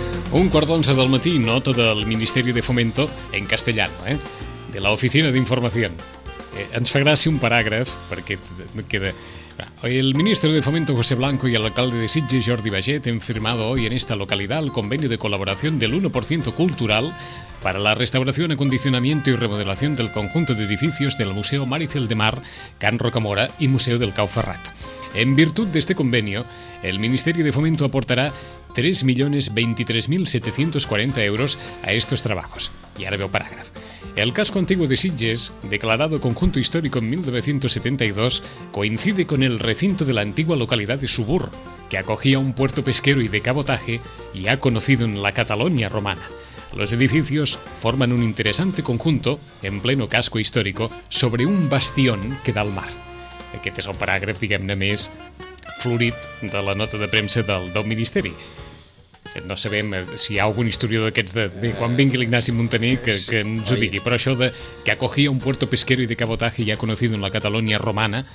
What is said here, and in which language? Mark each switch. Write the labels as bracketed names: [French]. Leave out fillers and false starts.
[Catalan] Un quart d'onze del matí, nota del Ministeri de Fomento [Spanish] en castellano, de la Oficina de Información. [Catalan] Ens fa gràcia un paràgraf, perquè queda... [Spanish] El ministro de Fomento José Blanco y el alcalde de Sitges Jordi Baget han firmado hoy en esta localidad el convenio de colaboración del 1% cultural para la restauración, acondicionamiento y remodelación del conjunto de edificios del Museo Maricel de Mar, Can Rocamora y Museo del Cau Ferrat. En virtud de este convenio, el Ministerio de Fomento aportará 3.023.740 euros a estos trabajos. Y ahora veo parágrafo. El casco antiguo de Sitges, declarado conjunto histórico en 1972, coincide con el recinto de la antigua localidad de Subur, que acogía un puerto pesquero y de cabotaje y ha conocido en la Catalonia romana. Los edificios forman un interesante conjunto, en pleno casco histórico, sobre un bastión que da al mar. [Catalan] Aquest és el paràgraf, diguem-ne, més florit de la nota de premsa del Ministeri. No sabem si hi ha algun historiador d'aquests de... Bé, quan vingui l'Ignasi Montaner que ens ho digui. Però això de que [Spanish] acogia un puerto pesquero [Catalan] i [Spanish] de cabotaje [Catalan] ja conegut en la Catalunya romana...